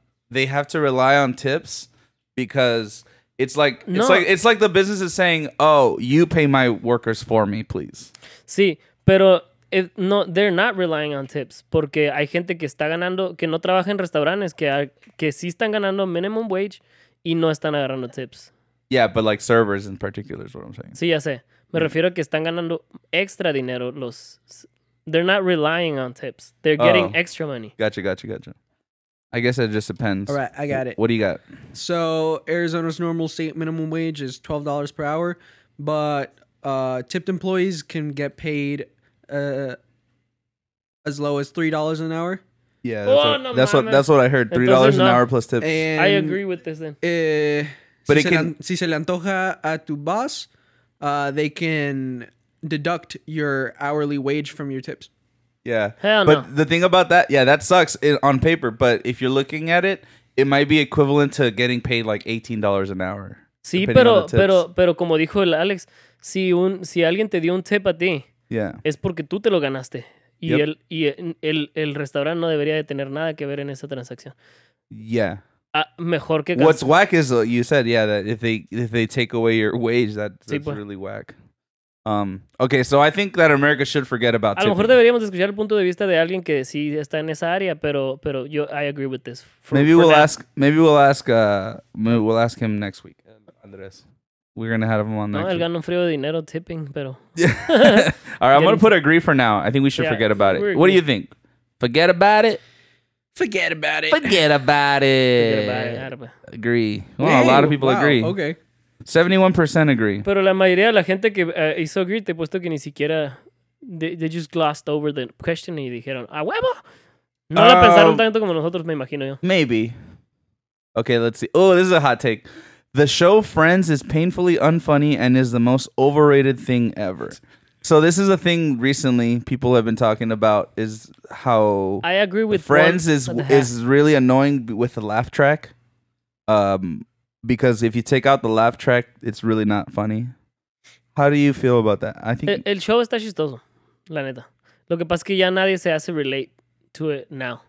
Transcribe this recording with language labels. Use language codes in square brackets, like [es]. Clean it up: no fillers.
[en] they have to rely on tips because it's like the business is saying, oh, you pay my workers for me, please. [es] Sí, pero [en] if no, they're not relying on tips [es] porque hay gente que está ganando, que no trabaja en restaurantes, que sí están ganando [en] minimum wage [es] y no están agarrando tips. [en] Yeah, but like servers in particular is what I'm saying. [es] Sí, ya sé. Me refiero a que están ganando extra dinero los... [en] They're not relying on tips. They're getting extra money. Gotcha. I guess it just depends. All right, I got it. What do you got? So Arizona's normal state minimum wage is $12 per hour, but tipped employees can get paid as low as $3 an hour. Yeah, that's what I heard. $3 an hour plus tips. And I agree with this then. But [es] si se le antoja a tu [en] boss, they can deduct your hourly wage from your tips. Yeah, hell no. But the thing about that, yeah, that sucks on paper. But if you're looking at it, it might be equivalent to getting paid like $18 an hour. [es] Sí, pero como dijo el Alex, si alguien te dio un tip a ti, [en] yeah, [es] es porque tú te lo ganaste. Y yep. el restaurante no debería de tener nada que ver en esa transacción. [en] Yeah. [es] Mejor que gasto. [en] What's whack is what you said, yeah, that if they take away your wage, that's really whack. Okay, so I think that America should forget about tipping. [es] A lo mejor deberíamos escuchar el punto de vista de alguien que sí está en esa área, pero yo [en] I agree with this. Maybe we'll ask him next week, Andres. We're going to have him on next week. [es] No, él gana un frío de dinero tipping, pero... [en] All right, I'm going to put agree for now. I think we should forget about it. What do you think? Forget about it? Forget about it. Forget about it. Agree. Well, a lot of people agree. Okay. 71% agree. [es] Pero la mayoría de la gente que hizo agree, te he puesto que ni siquiera... [en] They just glossed over the question [es] y dijeron, ¡a huevo! No la pensaron tanto como nosotros, me imagino yo. [en] Maybe. Okay, let's see. Oh, this is a hot take. The show Friends is painfully unfunny and is the most overrated thing ever. So this is a thing recently people have been talking about is how I agree with Friends is really annoying with the laugh track. Because if you take out the laugh track, it's really not funny. How do you feel about that? I think [es] el show está chistoso, la neta. Lo que pasa es que ya nadie se hace [en] relate to it now.